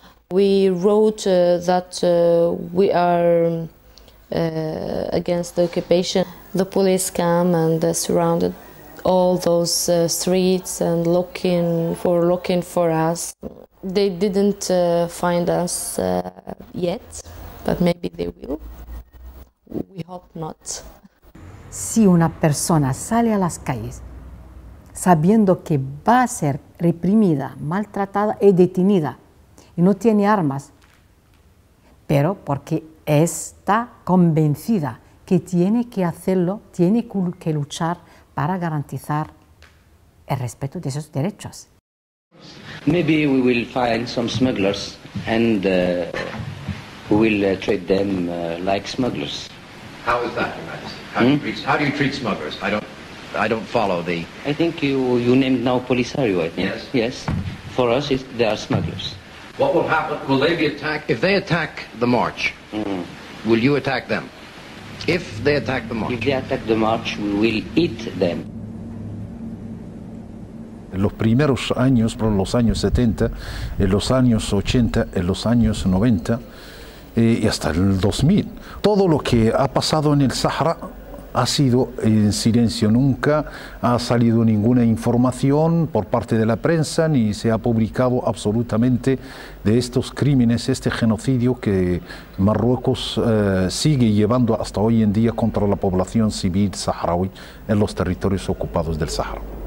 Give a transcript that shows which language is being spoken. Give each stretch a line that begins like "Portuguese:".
English: We wrote that we are against the occupation. The police came and surrounded all those streets and looking for us. They didn't find us yet, but maybe they will. We hope not.
Spanish: Si una persona sale a las calles sabiendo que va a ser reprimida, maltratada y detenida, y no tiene armas, pero porque está convencida que tiene que hacerlo, tiene que luchar para garantizar el respeto de esos derechos.
English: Maybe we will find some smugglers and we will treat them like smugglers. How is that, Your Majesty? How do you treat smugglers? I don't follow the. I think you named now Polisario, I think. Yes. Yes. For us, they are smugglers. What will happen? Will they be attacked? If they attack the march, will you attack them? If they attack the march. If they attack the march, we will eat them.
Spanish: Los primeros años, los años 70, los años 80, los años 90 y hasta el 2000. Todo lo que ha pasado en el Sahara ha sido en silencio, nunca ha salido ninguna información por parte de la prensa ni se ha publicado absolutamente de estos crímenes, este genocidio que Marruecos sigue llevando hasta hoy en día contra la población civil saharaui en los territorios ocupados del Sahara.